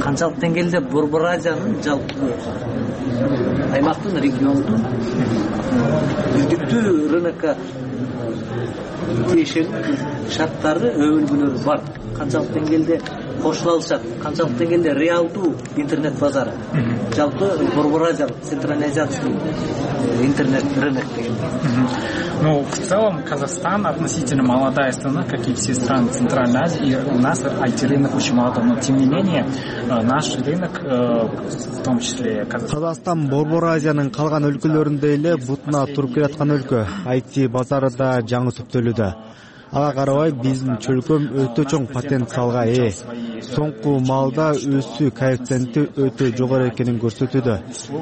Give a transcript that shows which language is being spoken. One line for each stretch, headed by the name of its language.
Kyrgyz: Канчалык деңгээлде борбор азиянын жалпы аймактын, региондун үздүктүү рынокко тиешелүү шарттары, өбөлгөлөрү бар? Канчалык деңгээлде кошула алышат? Канчалык деңгээлде реалдуу интернет базары жалпы борбор азиялык централизацияны интернет рынок деген?
Russian: Ну, в целом, Казахстан относительно молодая страна, как и все страны Центральной Азии, и у нас IT-рынок очень молодой. Но, тем не менее, наш рынок, в том числе Казахстан...
Kyrgyz: Казахстан, Борбор Азиянын калган өлкөлөрүндө эле бутуна туруп келаткан өлкө. IT-базары да жаңы өсүптөлүүдө. Ага карабай, биздин чөлкөм өтө чоң потенциалга ээ. Соңку маалда өсүү коэффициенти өтө жогору экенин көрсөтүүдө.